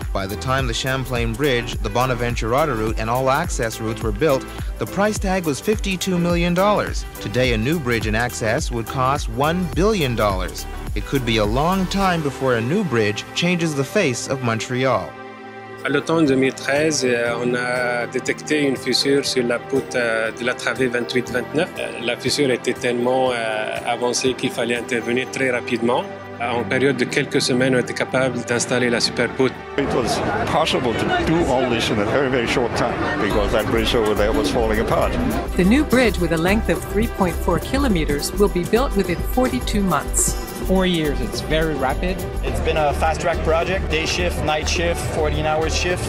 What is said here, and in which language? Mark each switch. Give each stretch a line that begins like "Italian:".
English: By the time the Champlain Bridge, the Bonaventure Autoroute, and all access routes were built, the price tag was $52 million. Today, a new bridge and access would cost $1 billion. It could be a long time before a new bridge changes the face of Montreal.
French: À l'automne 2013, on a détecté une fissure sur la poutre de la travée 28-29. La fissure était tellement avancée qu'il fallait intervenir très rapidement. En période de quelques semaines, on était capable d'installer la superpoutre.
English: It was possible to do all this in a very, very short time because that bridge over there was falling apart. The new bridge with a length of 3.4 kilometers will be built within 42 months. 4 years. It's very rapid. It's been a fast-track project, day shift, night shift, 14-hour shift.